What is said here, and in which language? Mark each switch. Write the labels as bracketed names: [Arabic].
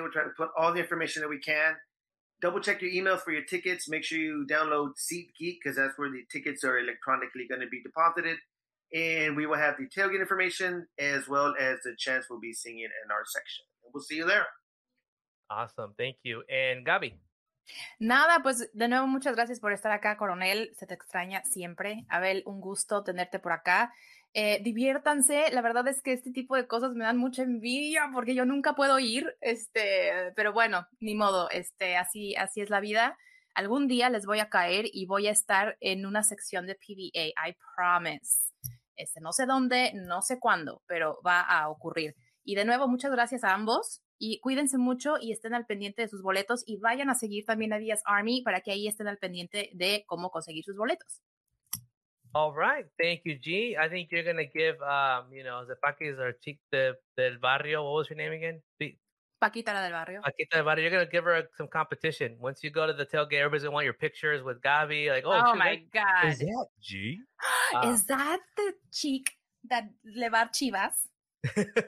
[English] We'll try to put all the information that we can. Double check your email for your tickets. Make sure you download SeatGeek because that's where the tickets are electronically going to be deposited. And we will have the tailgate information as well as the chance we'll be singing in our section. And we'll see you there. Awesome. Thank you. And Gabby. [Spanish] Nada, pues de nuevo muchas gracias por estar acá, Coronel. Se te extraña siempre. Abel, un gusto tenerte por acá. Diviértanse. La verdad es que este tipo de cosas me dan mucha envidia porque yo nunca puedo ir. Pero bueno, ni modo. Así es la vida. Algún día les voy a caer y voy a estar en una sección de PBA. [English] I promise. [Spanish] No sé dónde, no sé cuándo, pero va a ocurrir. Y de nuevo, muchas gracias a ambos. Y cuídense mucho y estén al pendiente de sus boletos y vayan a seguir también a Diaz Army para que ahí estén al pendiente de cómo conseguir sus boletos. [English] All right. Thank you, G. I think you're going to give, the Paquis or Chic del Barrio. What was your name again? Paquita la del Barrio. Paquita del Barrio. You're going to give her some competition. Once you go to the tailgate, everybody's going to want your pictures with Gabby. Like, oh, oh my God. Is that G? Is that the chick that [Spanish] le va a Chivas?